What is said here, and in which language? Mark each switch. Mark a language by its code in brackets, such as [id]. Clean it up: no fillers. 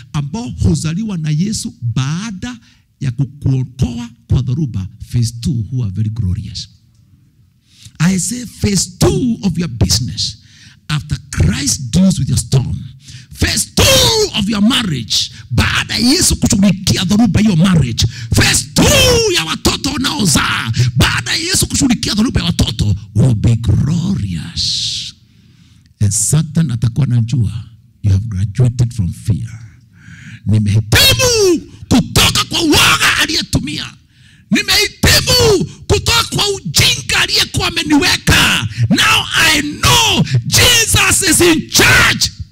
[sw] Ambao huzaliwa na Yesu baada ya kukuokoa kwa dhoruba. [en] Phase 2 who are very glorious. I say phase 2 of your business. After Christ deals with your storm. Phase 2 of your marriage. [sw] Baada Yesu kushughulikia dhoruba hiyo [en] marriage. [sw] Phase 2 ya watoto unaozaa. Baada Yesu kushughulikia dhoruba ya watoto. [en] Will be glorious. And Satan [sw] atakuwa anajua. [en] You have graduated from fear. [sw] Nimehitimu kutoka kwa uoga aliyetumia. Nimehitimu kutoka kwa ujinga aliyekuwa ameniweka. [en] Now I know Jesus is in charge.